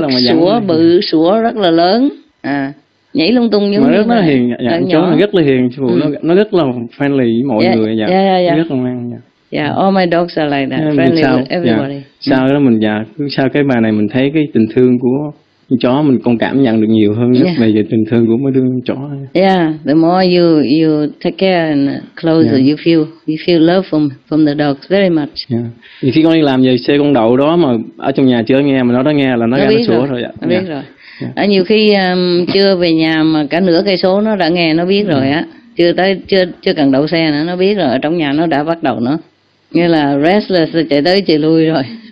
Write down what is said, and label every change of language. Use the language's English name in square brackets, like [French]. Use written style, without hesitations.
[Vietnamese] Sủa bự, sủa rất là lớn, nhảy lung tung như mà rất là hiền, chó nó rất là hiền, nó rất là friendly với mọi người, rất là ngoan. [English] All my dogs are like that, friendly with everybody. [Vietnamese] Sau đó mình sau cái bài này mình thấy cái tình thương của chó mình còn cảm nhận được nhiều hơn nhất về tình thương của mấy đứa chó. [English] Yeah, the more you take care and closer you feel love from the dogs very much. Yeah. [Vietnamese] Thì khi con đi làm về xe con đậu đó mà ở trong nhà chưa nghe mà nó đã nghe là nó ra nó sủa rồi. Yeah. Biết rồi. Yeah. À, nhiều khi chưa về nhà mà cả nửa cây số nó đã nghe nó biết rồi á. Chưa cần đậu xe nữa nó biết rồi, ở trong nhà nó đã bắt đầu nữa. Nghĩa là restless chạy tới chạy lui rồi.